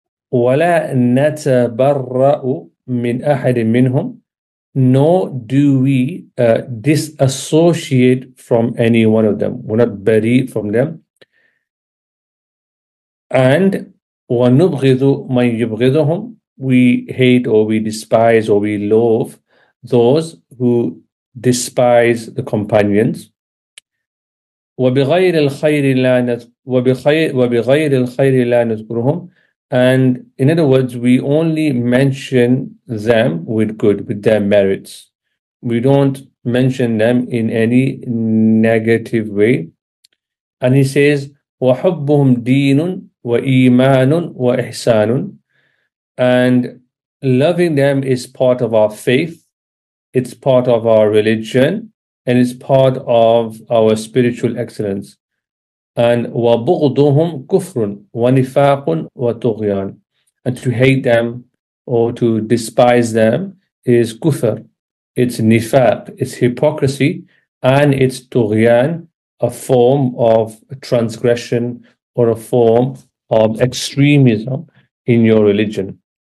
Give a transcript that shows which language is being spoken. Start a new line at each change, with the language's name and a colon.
Arabic: ولا نتبرأ من أحد منهم,
English: nor do we disassociate from any one of them. We're not bari from them. And
Arabic: ونبغض من يبغضهم,
English: we hate or we despise or we loathe those who despise the companions.
Arabic: وبغير الخير لا وبغير الخير لا نذكرهم.
English: And in other words, we only mention them with good, with their merits. We don't mention them in any negative way. And he says,
Arabic: وَحُبُّهُمْ دِينٌ وَإِيمَانٌ وَإِحْسَانٌ.
English: And loving them is part of our faith, it's part of our religion, and it's part of our spiritual excellence.
Arabic: And وَبُغْضُهُمْ كُفْرٌ وَنِفَاقٌ وَتُغْيَانٌ.
English: And to hate them or to despise them is kufr, it's nifaq, it's hypocrisy, and it's tughyan, a form of transgression or a form of extremism in your religion.